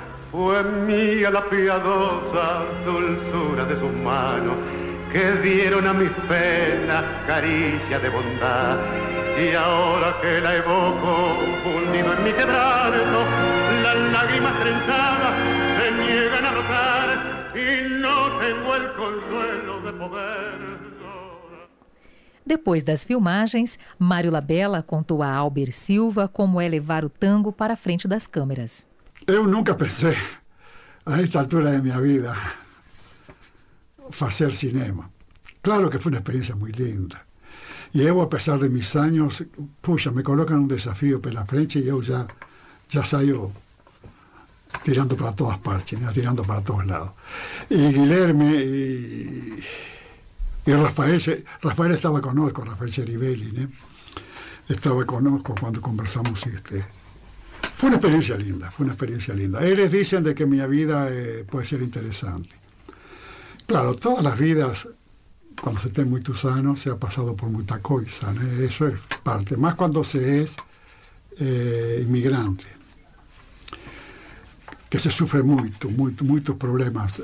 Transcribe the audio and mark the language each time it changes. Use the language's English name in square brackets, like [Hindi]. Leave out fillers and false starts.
[Spanish] Fue mía la piadosa dulzura de sus manos que dieron a mis penas caricias de bondad. Y ahora que la evoco hundido en mi quebranto, las lágrimas trenzadas se niegan a rozar y no tengo el consuelo de poder. [Portuguese] Depois das filmagens, Mário Labella contou a Albert Silva como é levar o tango para a frente das câmeras. Eu nunca pensei, a esta altura de minha vida, fazer cinema. Claro que foi uma experiência muito linda. E eu, apesar de meus anos, puxa, me colocam um desafio pela frente e eu já saio tirando para todas partes, né? Tirando para todos lados. E Guilherme e Rafael estava conosco, Rafael Ceribelli, né? Estava conosco quando conversamos este... [Spanish] Fue una experiencia linda. Ellos dicen de que mi vida puede ser interesante. Claro, todas las vidas, cuando se tiene muy sano, se ha pasado por mucha cosa, ¿no? Eso es parte. Más cuando se es inmigrante, que se sufre mucho, mucho, muchos problemas.